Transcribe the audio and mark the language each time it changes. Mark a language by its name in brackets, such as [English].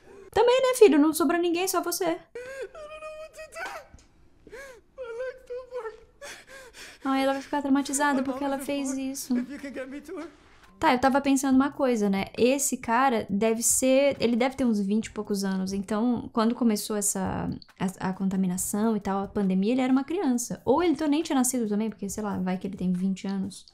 [Portuguese] Também, né, filho? Não sobrou ninguém, só você. [English] I don't know what to do. My legs don't work. [Portuguese] Ai, ela vai ficar traumatizada porque ela fez isso. Tá, eu tava pensando uma coisa, né? Esse cara deve ser... Ele deve ter uns 20 e poucos anos. Então, quando começou essa... A contaminação e tal, a pandemia, ele era uma criança. Ou ele nem tinha nascido também, porque, sei lá, vai que ele tem 20 anos.